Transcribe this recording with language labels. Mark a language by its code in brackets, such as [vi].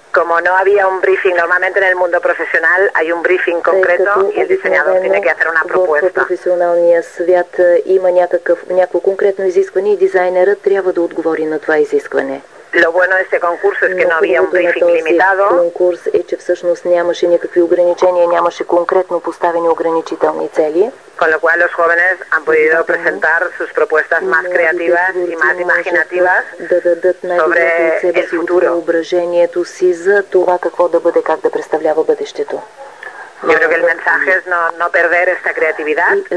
[es] Como no había un briefing, normalmente en el mundo profesional hay un briefing concreto y el diseñador tiene que hacer una propuesta. [bg] В професионалния свят има някакво конкретно изискване и дизайнерът трябва да отговори на това изискване. [es] Lo bueno de este concurso es que no había un briefing limitado. [bg] Конкурс е, че всъщност нямаше никакви ограничения, нямаше конкретно поставени ограничителни цели. [es] Con lo cual los jóvenes han podido presentar sus propuestas más creativas y más imaginativas sobre el futuro. [bg] Съображението си за това какво да бъде, как да представлява бъдещето. [es] Yo creo que el mensaje es no perder esta creatividad.